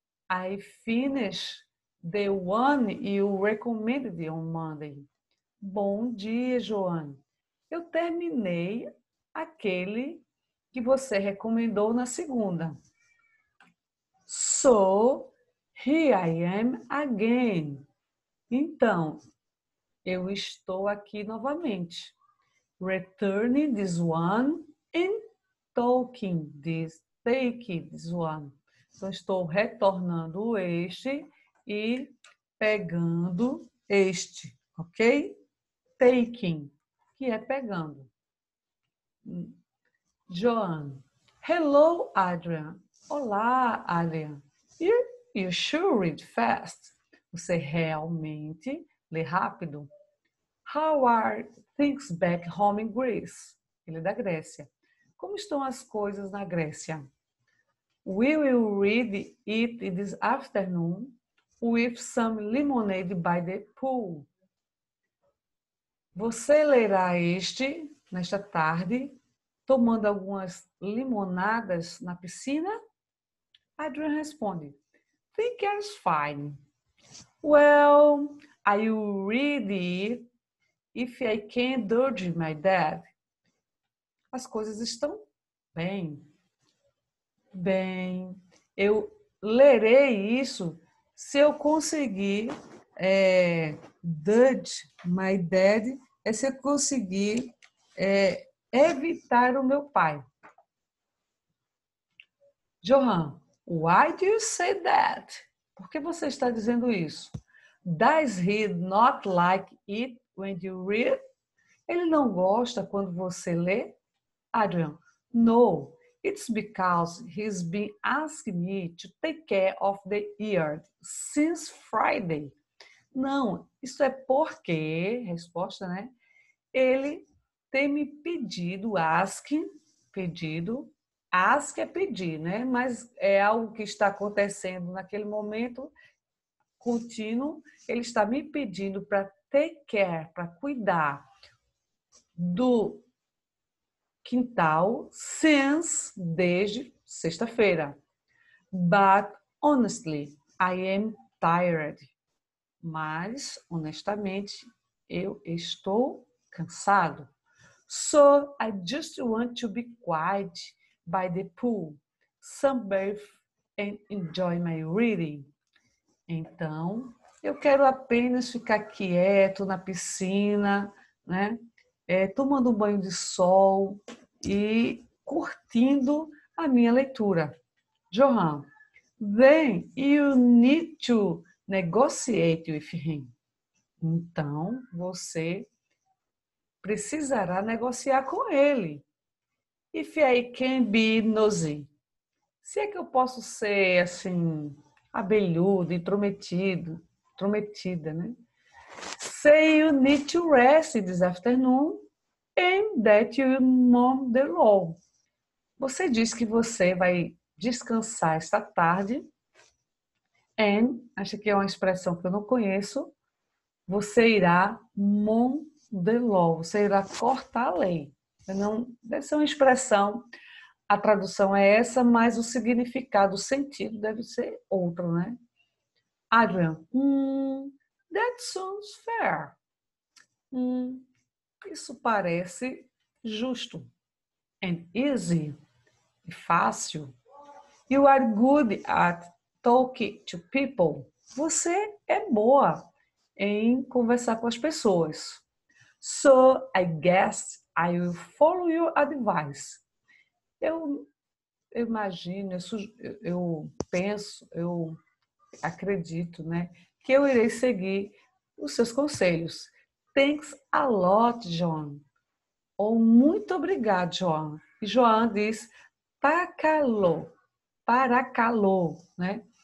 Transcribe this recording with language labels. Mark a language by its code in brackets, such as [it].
[en] I finished the one you recommended on Monday. [pt] Bom dia, Joan. Eu terminei aquele que você recomendou na segunda. [en] So, here I am again. [pt] Então, eu estou aqui novamente. [en] Returning this one and taking this one. [pt] Então, estou retornando este e pegando este, ok? Taking, que é pegando. [en] Joan. Hello, Adrian. [pt] Olá, [en] Adrian. You sure read fast. [pt] Você realmente lê rápido? [en] How are things back home in Greece? [pt] Ele é da Grécia. Como estão as coisas na Grécia? [en] We will read it this afternoon with some lemonade by the pool. [pt] Você lerá este nesta tarde, tomando algumas limonadas na piscina? [en] Adrian responde: Think it's fine. Well, I will read it if I can't dodge my dad. [pt] As coisas estão bem. Bem, eu lerei isso se eu conseguir [en] dodge my dad. [pt] É se eu conseguir evitar o meu pai. [en] Johan, why do you say that? [pt] Por que você está dizendo isso? [en] Does he not like it when you read? [pt] Ele não gosta quando você lê? [en] Adrian, no. It's because he's been asking me to take care of the yard since Friday. [pt] Não, isso é porque, resposta, né? Ele tem me pedido, ask é pedir, né? Mas é algo que está acontecendo naquele momento contínuo. Ele está me pedindo para [en] take care, [pt] para cuidar do quintal since, desde sexta-feira. [en] But honestly, I am tired. [pt] Mas, honestamente, eu estou cansado. [en] So I just want to be quiet by the pool, sunbathe and enjoy my reading. [pt] Então, eu quero apenas ficar quieto na piscina, né? Tomando um banho de sol e curtindo a minha leitura. [en] Johan, then you need to negotiate with him. [pt] Então, você precisará negociar com ele. [en] If I can be nosy. [pt] Se é que eu posso ser assim, abelhudo, intrometido, intrometida, né? [en] Say you need to rest this afternoon and that you mow the lawn. [pt] Você diz que você vai descansar esta tarde. And, acho que é uma expressão que eu não conheço. Você irá [en] mow the lawn. [pt] Você irá cortar a lei. Não, deve ser uma expressão. A tradução é essa, mas o significado, o sentido deve ser outro, né? [en] Adrian, that sounds fair. [pt] Isso parece justo. [en] And easy. [pt] E fácil. [en] You are good at talking to people. [pt] Você é boa em conversar com as pessoas. [en] So I guess I will follow your advice. [pt] Eu imagino, eu penso, eu acredito, né, que eu irei seguir os seus conselhos. [en] Thanks a lot, John. [pt] Ou muito obrigado, [en] John. [pt] E Joan diz paracalô, né?